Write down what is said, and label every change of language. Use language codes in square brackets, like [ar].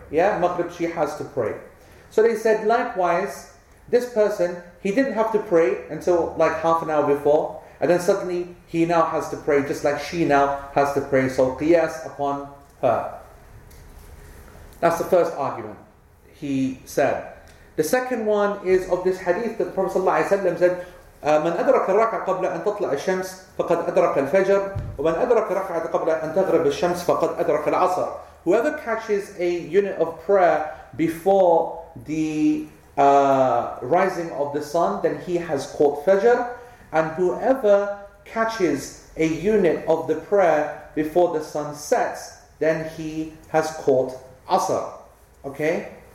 [en] Yeah, Maghrib, she has to pray. So they said, likewise, this person, he didn't have to pray until like half an hour before, and then suddenly he now has to pray, just like she now has to pray. So qiyas upon her. That's the first argument he said. The second one is of this hadith that Prophet ﷺ said, [ar] "من أدرك الركعة قبل أن تطلع الشمس فقد أدرك الفجر ومن أدرك الركعة قبل أن تغرب الشمس فقد أدرك العصر." [en] Whoever catches a unit of prayer before the rising of the sun, then he has caught Fajr. And whoever catches a unit of the prayer before the sun sets, then he has caught Asr. Okay?